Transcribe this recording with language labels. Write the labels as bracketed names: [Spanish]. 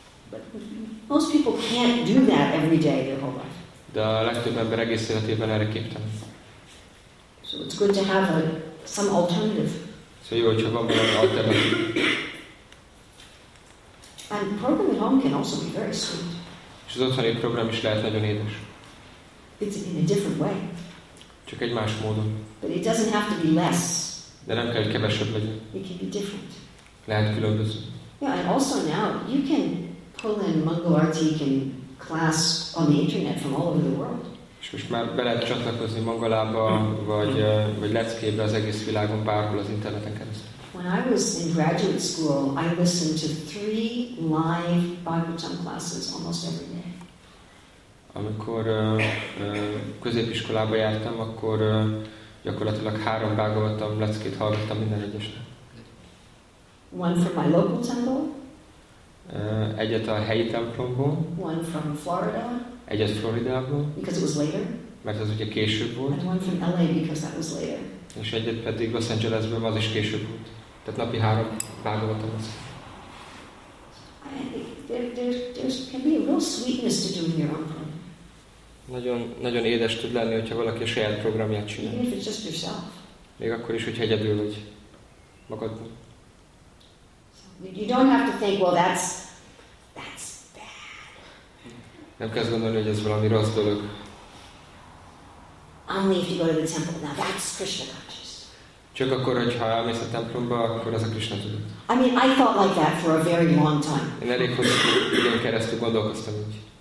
[English] But most people can't do that every day their whole life. [Hungarian] De a legtöbb ember egész életében erre képtelen. [English] So it's good to have some alternative. [Hungarian] So jó, hogyha van valami alternatív. [English] And program at home can also be very sweet. [Hungarian] És az otthoni program is lehet nagyon édes. [English] It's in a different way. [Hungarian] Csak egy más módon. [English] But it doesn't have to be less. [Hungarian] De nem kell, hogy kevesebb legyen. [English] It can be different. [Hungarian] Lehet különböző. [English] Yeah, and also now you can pull in Mangalartik and class on the internet from all over the world. [Hungarian] És most már be lehet csatlakozni Mangalába, vagy leckébe az egész világon, bárhol az interneten keresztül. [English] When I was in graduate school, I listened to 3 live Bhagavatam classes almost every day. [Hungarian] Amikor középiskolába jártam, akkor gyakorlatilag 3 Bhagavatam leckét hallgattam minden egyes nap. [English] One from my local temple. [Hungarian] Egyet a helyi templomból. [English] One from Florida. [Hungarian] Egyet Floridából. [English] Because it was later. [Hungarian] Mert az ugye később volt. [English] And one from LA because that was later. [Hungarian] És egyet pedig Los Angelesből, az is később volt. Tehát napi 3 vágogatom az. [English] There can be a real sweetness to doing your own program. [Hungarian] Nagyon, nagyon édes tud lenni, hogyha valaki a saját programját csinál. [English] Even if it's just yourself. [Hungarian] Még akkor is, hogyha egyedül vagy. Magadnak. [English] You don't have to think, well, that's bad. [Hungarian] Nem kell azt gondolni, hogy ez valami rossz dolog. [English] Only if you go to the temple, now that's Krishna conscious. [Hungarian] Csak akkor, hogyha elmész a templomba, akkor az a Krishna tudat. [English] I mean, I thought like that for a very long time. [Hungarian] Én elég hosszú időn keresztül gondolkoztam így.